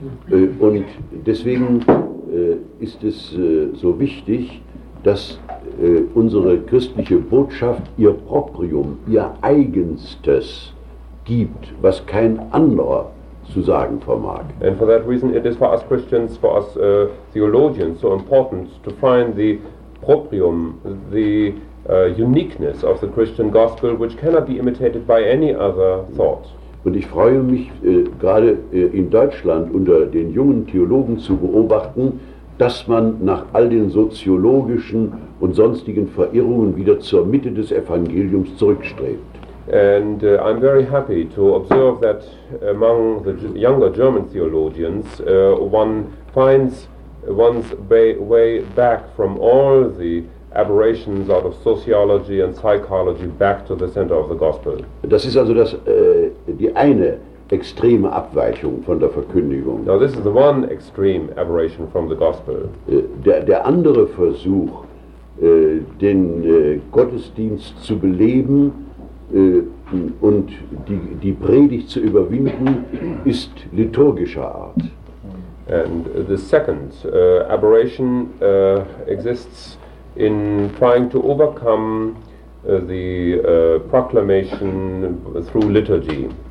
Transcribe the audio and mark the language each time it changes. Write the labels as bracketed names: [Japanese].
[German] Und deswegen ist es so wichtig, dass unsere christliche Botschaft ihr Proprium, ihr Eigenstes gibt, was kein anderer zu sagen vermag. [English] And for that reason it is for us Christians, for us theologians, so important to find the proprium, the uniqueness of the Christian gospel, which cannot be imitated by any other thought. [German] Und ich freue mich, gerade in Deutschland unter den jungen Theologen zu beobachten, dass man nach all den soziologischen und sonstigen Verirrungen wieder zur Mitte des Evangeliums zurückstrebt. [English] And I'm very happy to observe that among the younger German theologians one finds one's way back from all the aberrations out of sociology and psychology back to the center of the gospel. [German] Das ist also das die eine extreme Abweichung von der Verkündigung. [English] Now this is the one extreme aberration from the gospel. [German] Der andere Versuch, den Gottesdienst zu beleben und die Predigt zu überwinden, ist liturgischer Art. [English] And the second aberration exists in trying to overcome the proclamation through liturgy.